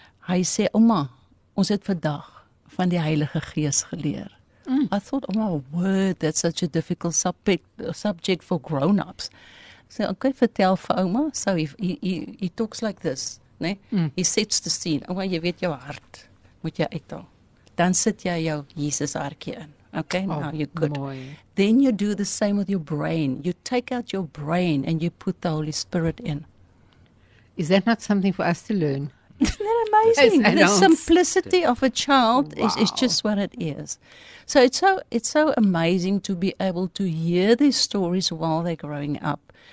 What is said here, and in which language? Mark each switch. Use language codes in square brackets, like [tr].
[af] Hy sê, Oma, ons het vandag van die Heilige Gees geleer. Mm. [en] I thought, oh my word, that's such a difficult subject for grown-ups. So, okay, [af] vertel vir Oma. [en] So he talks like this. [af] Nee? [en] Mm. He sets the scene. [af] Oma, jy weet jou hart, moet jy uithaal. Dan sit jy jou Jesus hartjie in. Okay, oh, [en] now you're good. [af] Mooi. [en] Then you do the same with your brain. You take out your brain and you put the Holy Spirit in. Is that not something for us to learn? Isn't that amazing? The simplicity of a child wow. is just what it is. So it's so amazing to be able to hear these stories while they're growing up.